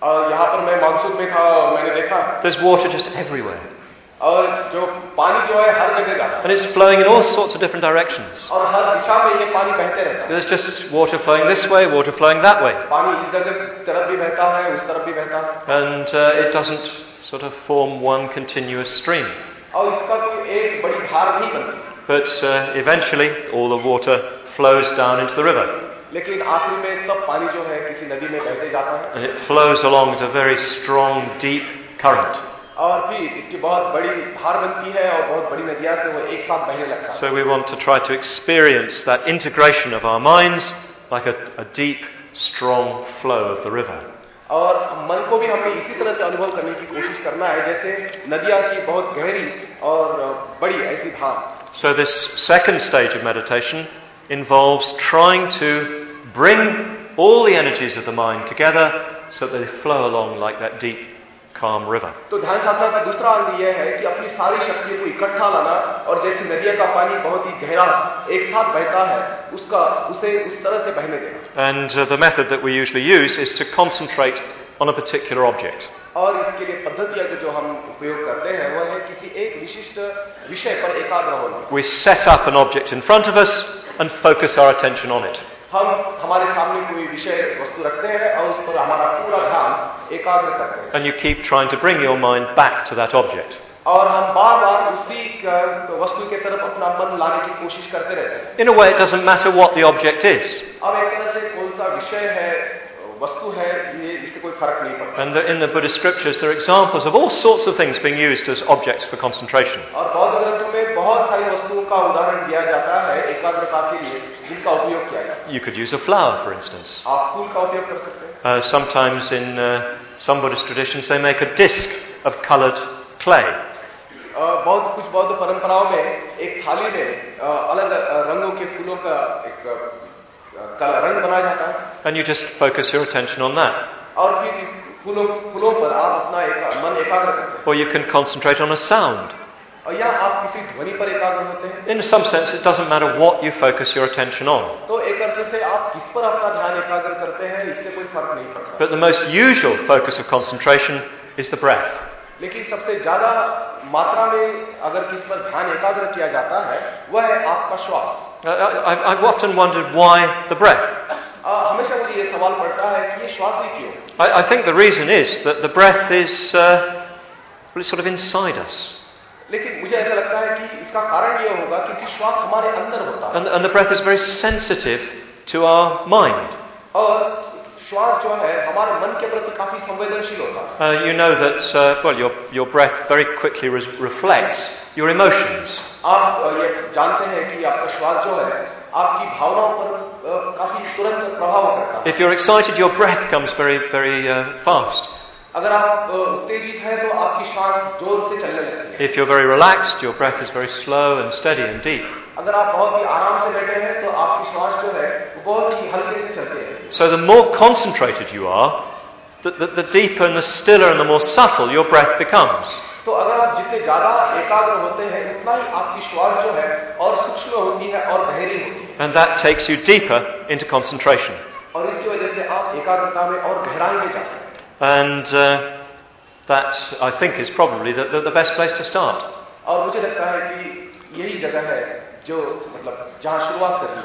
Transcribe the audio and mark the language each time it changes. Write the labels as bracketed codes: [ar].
[hi] यहां पर मैं मानसून में था और मैंने देखा. [en] There's water just everywhere. [hi] और जो पानी जो है हर जगह का. [en] And it's flowing in all sorts of different directions. [hi] और हर दिशा में ये पानी बहते रहता है. [en] There's just water flowing this way, water flowing that way. [hi] पानी इस तरफ भी बहता है, उस तरफ भी बहता है. [en] And it doesn't sort of form one continuous stream. [hi] और इसका कोई एक बड़ी धार नहीं बनती. [en] But eventually, all the water flows down into the river. [hi] लेकिन आखिर में सब पानी जो है किसी नदी में बहते जाता है. [en] And it flows along with a very strong, deep current. [hi] और फिर इसकी बहुत बड़ी धार बनती है और बहुत बड़ी नदियाँ से वो एक साथ बहने लगता है. [en] So we want to try to experience that integration of our minds like a deep, strong flow of the river. [hi] और मन को भी हमें इसी तरह से अनुभव करने की कोशिश करना है जैसे नदियाँ की बहुत गहरी और बड़ी ऐसी धार. [en] So this second stage of meditation involves trying to bring all the energies of the mind together so that they flow along like that deep, calm river. [hi] तो ध्यान साधना का दूसरा अंग यह है कि अपनी सारी शक्तियों को इकट्ठा लाना और जैसे नदियों का पानी बहुत ही गहरा एक साथ बहता है उसका उसे उस तरह से बहने देना. [en] And the method that we usually use is to concentrate on a particular object. [hi] और इसके लिए पद्धतियां जो हम उपयोग करते हैं वह है किसी एक विशिष्ट विषय पर एकाग्र होना. [en] We set up an object in front of us and focus our attention on it. [hi] हम हमारे सामने कोई विषय वस्तु रखते हैं और उस पर हमारा पूरा ध्यान एकाग्र करते हैं. [en] And you keep trying to bring your mind back to that object. [hi] और हम बार बार उसी वस्तु के तरफ अपना मन लाने की कोशिश करते रहते हैं. [en] In a way, it doesn't matter what the object is. [hi] अब एक तरह से कौन सा विषय है वस्तु है ये इससे कोई फर्क नहीं पड़ता. [en] And in the Buddhist scriptures there are examples of all sorts of things being used as objects for concentration. [hi] और बौद्ध ग्रंथों में बहुत सारी वस्तुओं का उदाहरण दिया जाता है एकाग्रता के लिए जिनका उपयोग किया जाता है. [en] You could use a flower for instance. [hi] आप फूल का उपयोग कर सकते हैं. [en] Sometimes in some Buddhist traditions they make a disc of colored clay. [hi] बहुत कुछ बौद्ध परंपराओं में एक थाली में अलग रंगों के फूलों का एक रंग बनाया जाता है. [en] And you just focus your attention on that. [hi] और फिर फूलों पर आप अपना मन एकाग्र करते हैं. [en] Or you can concentrate on a sound. [hi] और या आप किसी ध्वनि पर एकाग्र होते हैं. [en] In some sense, it doesn't matter what you focus your attention on. [hi] तो एक अर्थ से आप किस पर अपना ध्यान एकाग्र करते हैं इससे कोई फर्क नहीं पड़ता. [en] But the most usual focus of concentration is the breath. [hi] लेकिन सबसे ज्यादा मात्रा में अगर किस पर ध्यान एकाग्र किया जाता है वह है आपका श्वास. [en] I've often wondered why the breath. [hi] हमेशा मुझे ये सवाल पड़ता है कि ये श्वास ही क्यों? [en] I think the reason is that the breath is well, it's sort of inside us. [hi] लेकिन मुझे ऐसा लगता है कि इसका कारण ये होगा क्योंकि श्वास हमारे अंदर होता है. [en] And the breath is very sensitive to our mind. [hi] श्वास जो है हमारे मन के प्रति काफी संवेदनशील होता है. [en] You know that well your breath very quickly reflects your emotions. [hi] आप ये जानते हैं कि आपका श्वास जो है आपकी भावनाओं पर काफी तुरंत प्रभाव करता है. [en] If you're excited your breath comes very very fast. [hi] अगर आप उत्तेजित हैं तो आपकी श्वास जोर से चलने लगती है. [en] If you're very relaxed your breath is very slow and steady and deep. [hi] अगर आप बहुत ही आराम से बैठे हैं तो आपकी श्वास जो है बहुत ही हल्के से चलती है. [en] So the more concentrated you are, the deeper and the stiller and the more subtle your breath becomes. [hi] तो अगर आप जितने ज्यादा एकाग्र होते हैं उतना ही आपकी श्वास जो है और सूक्ष्म होती है और गहरी होती है. [en] And that takes you deeper into concentration. [hi] और इसकी वजह से आप एकाग्रता में और गहराई में जाते हैं. [en] And that I think is probably the best place to start. [hi] और मुझे लगता है कि यही जगह है जो मतलब जहां शुरुआत करनी